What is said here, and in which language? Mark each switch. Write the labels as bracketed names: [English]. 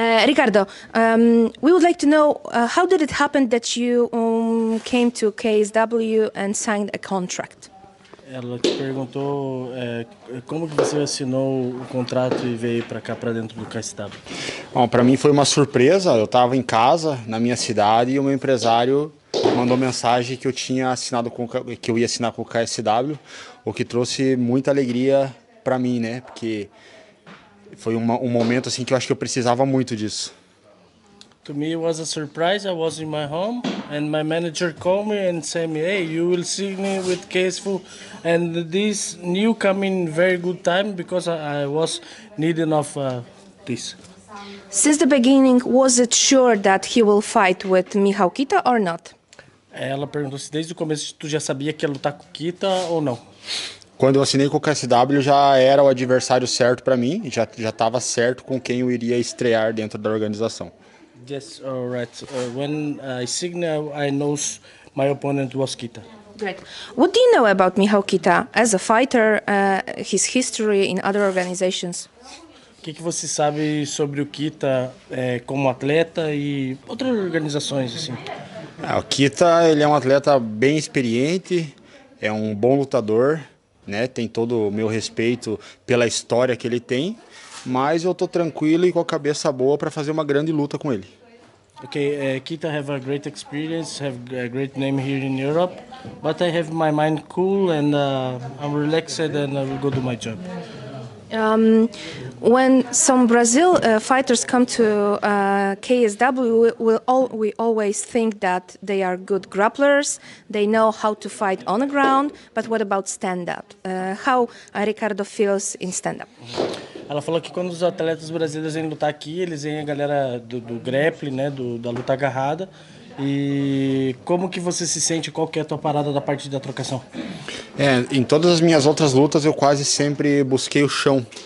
[English] Ricardo, we would like to know how did it happen that you came to KSW and signed a contract? [Portuguese] Ela te perguntou como que você assinou o contrato e veio para cá, para dentro do KSW? Bom, para mim foi uma surpresa. Eu estava em casa, na minha cidade, e o meu empresário mandou mensagem que eu tinha assinado que eu ia assinar com o KSW, o que trouxe muita alegria para mim, né? Porque foi um momento assim que eu acho que eu precisava muito disso. [English] To me it was a surprise. I was in my home and my manager called me and said me, hey, you will see me with KSW and this new come in very good time because I was needing of this. Since the beginning, was it sure that he will fight with Michał Kita or not? [Portuguese] Ela perguntou se desde o começo tu já sabia que ia lutar com o Kita ou não. Quando eu assinei com o KSW já era o adversário certo para mim, já estava certo com quem eu iria estrear dentro da organização. [English] Yes, all right. When I signed, I know my opponent was Kita. Great. What do you know about Michał Kita as a fighter, his history in other organizations? [Portuguese] O que você sabe sobre o Kita como atleta e outras organizações assim? O Kita, ele é um atleta bem experiente, é um bom lutador, né? Tem todo o meu respeito pela história que ele tem. mas eu tô tranquilo e com a cabeça boa para fazer uma grande luta com ele. [English] Okay, Kita have a great experience, have a great name here in Europe, but I have my mind cool and I'm relaxed and I will go do my job. When some Brazil fighters come to KSW, we always think that they are good grapplers, they know how to fight on the ground, but what about stand-up? How Ricardo feels in stand-up? [Portuguese] Ela falou que quando os atletas brasileiros vêm lutar aqui, eles vêm a galera do grappling, né, da luta agarrada. E como que você se sente? Qual que é a tua parada da parte da trocação? É, em todas as minhas outras lutas, eu quase sempre busquei o chão.